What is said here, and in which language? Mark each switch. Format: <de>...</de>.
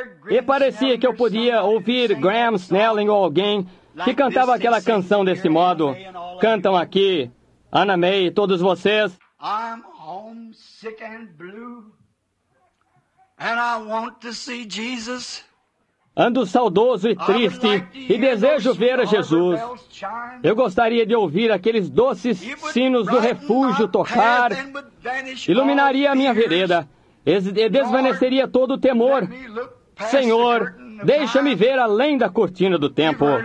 <pt>E parecia que eu podia ouvir Graham Snelling ou alguém que cantava aquela canção desse modo. Cantam aqui, Anna May e todos vocês.</pt> <en>I'm homesick and blue, and I want to see Jesus.</en> <pt>Ando saudoso e triste, e desejo ver a Jesus. Eu gostaria de ouvir aqueles doces sinos do refúgio tocar. Iluminaria a minha vereda, e desvaneceria todo o temor. Senhor, deixa-me ver além da cortina do tempo.</pt>